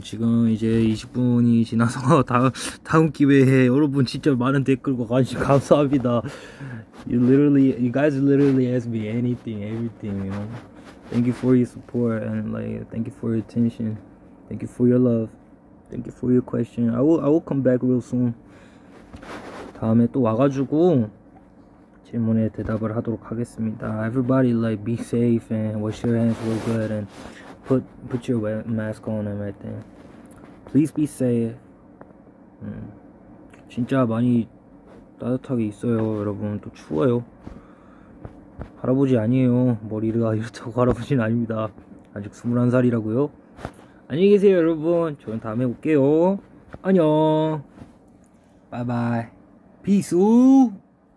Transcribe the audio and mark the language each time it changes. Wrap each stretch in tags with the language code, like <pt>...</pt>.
<ko>지금 이제 20분이 지나서 다음 기회에 여러분 진짜 많은 댓글과 관심 감사합니다.</ko> <en>You guys literally ask me everything, you know. Thank you for your support and like thank you for your attention. Thank you for your love. Thank you for your question. I will come back real soon.</en> <ko>다음에 또 와가지고 질문에 대답을 하도록 하겠습니다.</ko> <en>Everybody like be safe and wash your hands real good and put your mask on and everything. Please be safe.</en> <ko>진짜 많이 따뜻하게 있어요, 여러분. 또 추워요. 할아버지 아니에요. 머리가 이렇다고 할아버지는 아닙니다. 아직 21살이라고요. 안녕히 계세요, 여러분. 저는 다음에 올게요. 안녕. 바이바이. 비수.</ko>